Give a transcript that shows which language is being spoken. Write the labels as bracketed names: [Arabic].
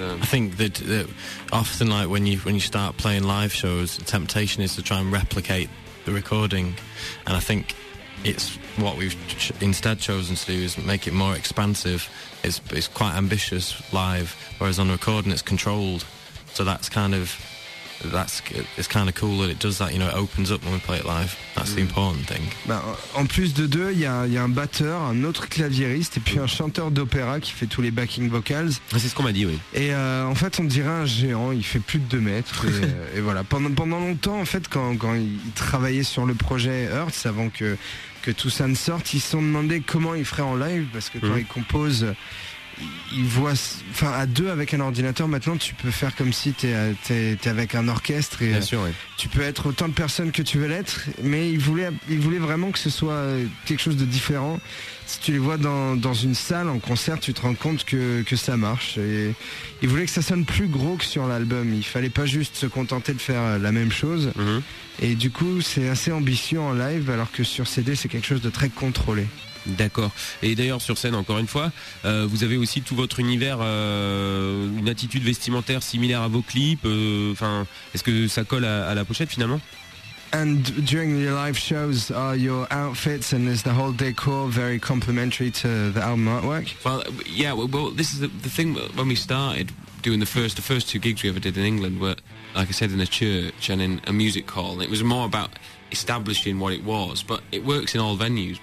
[English] I think that often, like when you start playing live shows, the temptation is to try and replicate the recording, and I think it's what we've instead chosen to do is make it more expansive. It's quite ambitious live, whereas on recording it's controlled. So that's kind of. It's kind of cool that it does that, you know, it opens up when we play it live. That's the important thing. [French] Bah, en plus de deux, il y a un batteur, un autre claviériste et puis un chanteur d'opéra qui fait tous les backing vocals. C'est ce qu'on m'a dit, oui. Et en fait, on dirait un géant, il fait plus de 2 mètres. Et voilà. Pendant longtemps, en fait, quand il travaillait sur le projet Hertz, avant que tout ça ne sorte, ils se sont demandé comment il ferait en live, parce que quand il compose, ils voient, enfin, à deux avec un ordinateur, maintenant tu peux faire comme si t'es avec un orchestre et tu peux être autant de personnes que tu veux l'être, mais ils voulaient vraiment que ce soit quelque chose de différent. Si tu les vois dans une salle en concert, tu te rends compte que ça marche. Et ils voulaient que ça sonne plus gros que sur l'album. Il fallait pas juste se contenter de faire la même chose. Et du coup, c'est assez ambitieux en live, alors que sur CD, c'est quelque chose de très contrôlé. D'accord. Et d'ailleurs, sur scène, encore une fois, vous avez aussi tout votre univers, une attitude vestimentaire similaire à vos clips. Est-ce que ça colle à la pochette, finalement? [English] And during your live shows, are your outfits and is the whole decor very complimentary to the album artwork? Well, yeah, well this is the thing. When we started doing the first two gigs we ever did in England were, like I said, in a church and in a music hall. It was more about establishing what it was, but it works in all venues.